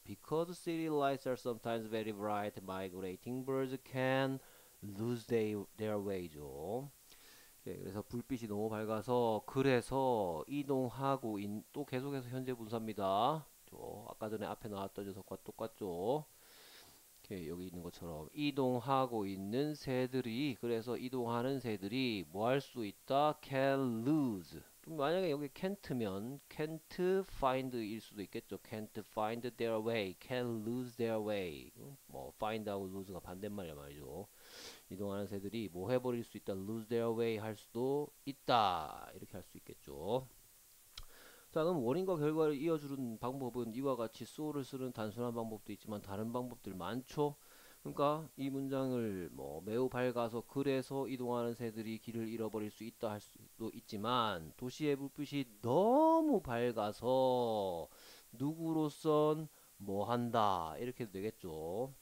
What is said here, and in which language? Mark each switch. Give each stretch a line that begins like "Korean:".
English: Because city lights are sometimes very bright, migrating birds can lose their way죠.
Korean: 그래서 불빛이 너무 밝아서 그래서 이동하고 또 계속해서 현재 분사입니다. 아까 전에 앞에 나왔던 녀석과 똑같죠. 여기 있는 것처럼 이동하고 있는 새들이 그래서 이동하는 새들이 뭐할수 있다? Can lose. 만약에 여기 can't면 can't find일 수도 있겠죠.
English: Can't find their way, can lose their way.
Korean: 뭐 find하고 lose가 반대말이야 말이죠. 이동하는 새들이 뭐 해버릴 수 있다? Lose their way 할 수도 있다. 이렇게 할수 있겠죠. 자, 그럼 원인과 결과를 이어주는 방법은 이와 같이 so를 쓰는 단순한 방법도 있지만 다른 방법들 많죠? 그러니까 이 문장을 뭐 매우 밝아서 그래서 이동하는 새들이 길을 잃어버릴 수 있다 할 수도 있지만 도시의 불빛이 너무 밝아서 누구로선 뭐 한다 이렇게도 되겠죠.